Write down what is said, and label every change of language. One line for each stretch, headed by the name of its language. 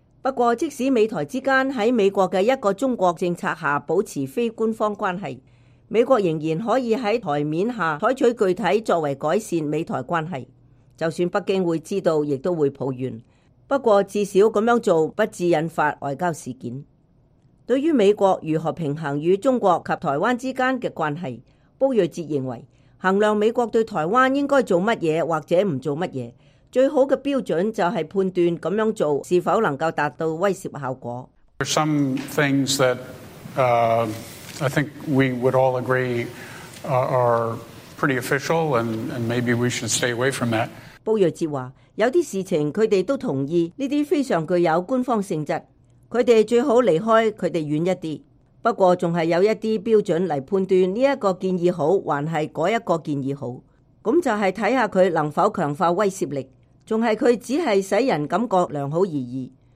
Chinese: 不过即使美台之间在美国的一个中国政策下保持非官方关系，美国仍然可以在台面下采取具体作为改善美台关系，就算北京会知道亦都会抱怨，不过至少这样做不致引发外交事件。对于美国如何平衡与中国及台湾之间的关系，卜瑞哲认为衡量美国对台湾应该做什么或者不做什么，最好的标准就是判断这样做是否能够达到威慑效果。
English: There are some things that I think we would all agree are pretty official and maybe we should stay away from that.
Chinese: 卜瑞哲说，有些事情他们都同意，这些非常具有官方性质，他们最好离开他们远一点。不过还是有一些标准来判断这个建议好还是那一个建议好，那就是看看他能否强化威慑力，还是他只是使人感觉良好而已。